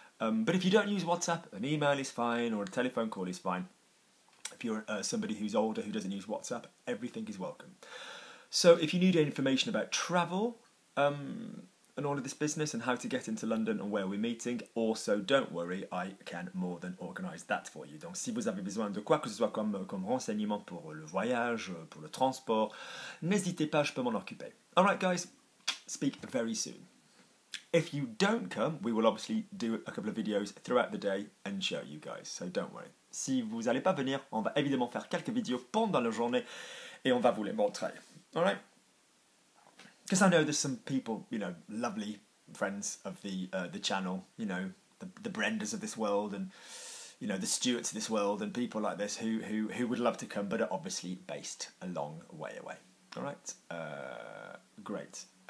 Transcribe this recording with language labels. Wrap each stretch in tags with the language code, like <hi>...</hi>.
<en>But if you don't use WhatsApp, an email is fine or a telephone call is fine. If you're somebody who's older who doesn't use WhatsApp, everything is welcome. So if you need any information about travel and all of this business and how to get into London and where we're meeting, also don't worry, I can more than organise that for you.</en> <fr>Donc si vous avez besoin de quoi que ce soit comme renseignement pour le voyage, pour le transport, n'hésitez pas, je peux m'en occuper.</fr> <en>All right, guys, speak very soon. If you don't come, we will obviously do a couple of videos throughout the day and show you guys, so don't worry.</en> <fr>Si vous n'allez pas venir, on va évidemment faire quelques vidéos pendant la journée et on va vous les montrer.</fr> <en>All right? Because I know there's some people, you know, lovely friends of the channel, you know, the Brendas of this world and, you know, the Stuarts of this world and people like this who would love to come but are obviously based a long way away. All right? Great.</en>